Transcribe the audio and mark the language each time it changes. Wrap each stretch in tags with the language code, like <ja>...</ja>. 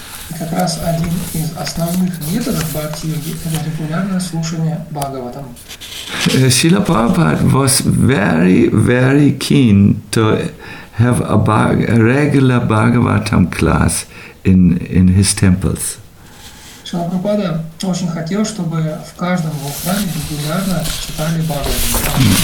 <ru>И как раз один из основных методов бхакти-йоги – это регулярное слушание Бхагаватам.</ru> <en>Srila Prabhupada was very, very keen to have a regular Bhagavatam class in his temples.</en> <ru>Srila Prabhupada очень хотел, чтобы в каждом его храме регулярно читали Бхагаватам.</ru>